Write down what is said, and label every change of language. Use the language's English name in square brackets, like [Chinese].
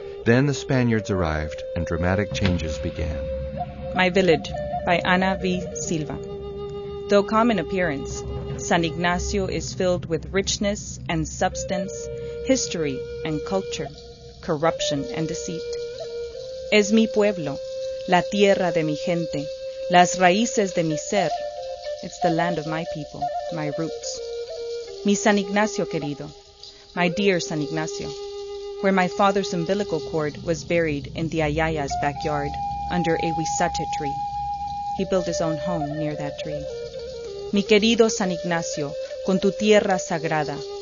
[English] Then the Spaniards arrived and dramatic changes began. My Village by Ana V. Silva. Though common appearance, San Ignacio is filled with richness and substance, history and culture, corruption and deceit. [Spanish] Es mi pueblo, la tierra de mi gente, las raíces de mi ser. [English] It's the land of my people, my roots. [Spanish] Mi San Ignacio querido, [English] my dear San Ignacio, where my father's umbilical cord was buried in the Ayaya's backyard under a huizache tree. He built his own home near that tree. [Spanish] Mi querido San Ignacio, con tu tierra sagrada.